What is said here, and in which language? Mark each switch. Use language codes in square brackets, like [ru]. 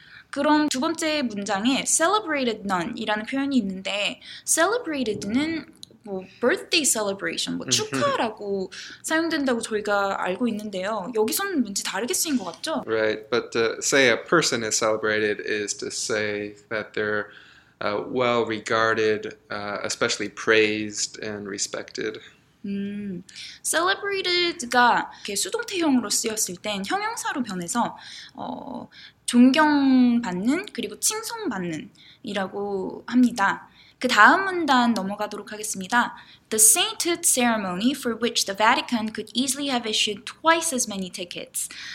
[ko] 그럼 두 번째 문장에 [en] celebrated none [ko] 이라는 표현이 있는데 celebrated는 뭐 [en] birthday celebration, [ko] 뭐 축하라고 사용된다고 저희가 알고 있는데요. 여기서는 뭔지 다르게 쓰인 것 같죠? [en] Right, but to say a person is celebrated is to say that they're well regarded, especially praised and respected. [ko] Celebrated가 이렇게 수동태형으로 쓰였을 땐 형용사로 변해서 존경받는 그리고 칭송받는이라고 합니다. 그 다음 문단 넘어가도록 하겠습니다. [en] The sainthood ceremony for which the Vatican could easily have issued twice as many tickets.